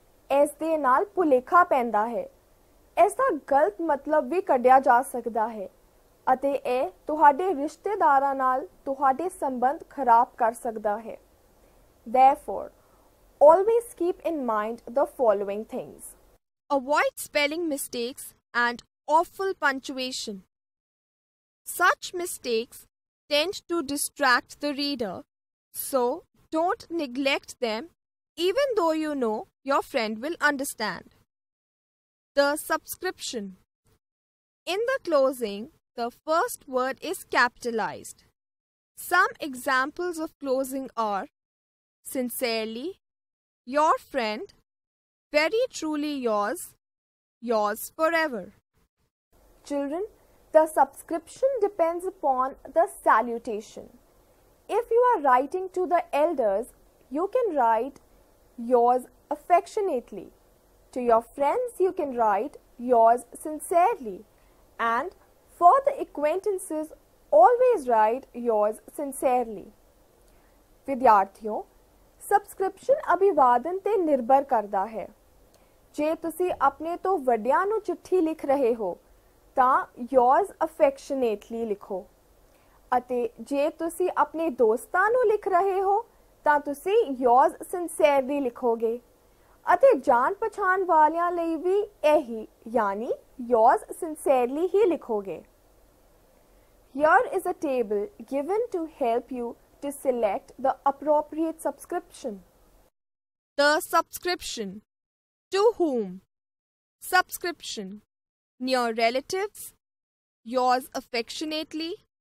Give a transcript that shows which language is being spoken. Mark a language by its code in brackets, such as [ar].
[pa] ਇਸ ਦੇ ਨਾਲ ਭੁਲੇਖਾ ਪੈਂਦਾ ਹੈ, ਇਸ ਦਾ ਗਲਤ ਮਤਲਬ ਵੀ ਕੱਢਿਆ ਜਾ ਸਕਦਾ ਹੈ ਅਤੇ ਇਹ ਤੁਹਾਡੇ ਰਿਸ਼ਤੇਦਾਰਾਂ ਨਾਲ ਤੁਹਾਡੇ ਸੰਬੰਧ ਖਰਾਬ ਕਰ ਸਕਦਾ ਹੈ। [en] Therefore, always keep in mind the following things. Avoid spelling mistakes and awful punctuation. Such mistakes tend to distract the reader, so don't neglect them even though you know your friend will understand. The subscription. In the closing, the first word is capitalized. Some examples of closing are sincerely, your friend, very truly yours, yours forever. Children, the subscription depends upon the salutation. If you are writing to the elders, you can write yours affectionately. To your friends you can write yours sincerely, and for the acquaintances always write yours sincerely. [pa] ਵਿਦਿਆਰਥੀਓ, subscription ਅਭਿਵਾਦਨ ਤੇ ਨਿਰਭਰ ਕਰਦਾ ਹੈ। ਜੇ ਤੁਸੀਂ ਆਪਣੇ ਤੋਂ ਵੱਡਿਆਂ ਨੂੰ ਚਿੱਠੀ ਲਿਖ ਰਹੇ ਹੋ ਤਾਂ [en] yours affectionately [pa] ਲਿਖੋ, ਅਤੇ ਜੇ ਤੁਸੀਂ ਆਪਣੇ ਦੋਸਤਾਂ ਨੂੰ ਲਿਖ ਰਹੇ ਹੋ ਤਾਂ ਤੁਸੀਂ [en] yours sincerely [pa] ਲਿਖੋਗੇ। ਅਤੇ ਜਾਣ ਪਛਾਣ ਵਾਲਿਆਂ ਲਈ ਵੀ ਇਹੀ ਯਾਨੀ [en] yours sincerely [pa] he ਲਿਖੋਗੇ। [en] Here is a table given to help you to select the appropriate subscription. The subscription. To whom? Subscription. Near relatives. Yours affectionately.